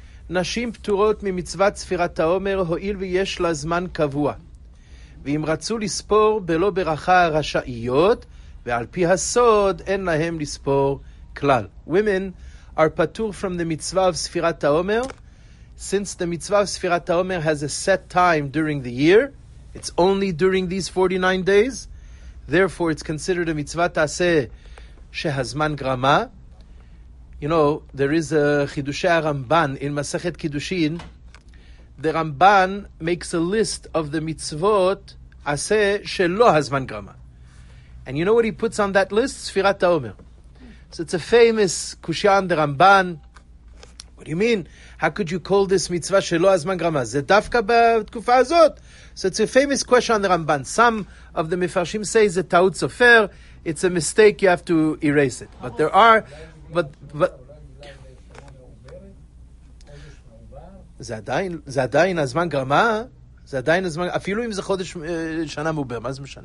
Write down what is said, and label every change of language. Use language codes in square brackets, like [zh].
[he] נשים פטורות ממצוות ספירת העומר הועיל ויש לה זמן קבוע. ואם רצו לספור בלא ברכה רשאיות, ועל פי הסוד אין להם לספור כלל. [en] Women are patur from the mitzvah of ספירת העומר. Since the mitzvah of ספירת העומר has a set time during the year, it's only during these 49 days, therefore it's considered a mitzvah תעשה שהזמן גרמה. You know, there is a Chidushei Ramban in Masechet Kiddushin. The Ramban makes a list of the mitzvot ase shelo hazman grama. And you know what he puts on that list? Sfirat HaOmer. So it's a famous kushya on the Ramban. What do you mean? How could you call this mitzvah shelo hazman grama? [he] Ze dafka b'tkufa hazot. [en] So it's a famous question on the Ramban. Some of the Mefarshim say [he] ze taut sofer. [en] It's a mistake, you have to erase it. But there are... But [he] זה עדיין הזמן גרמה, זה עדיין הזמן, אפילו אם זה חודש שנה מעובר, מה זה משנה?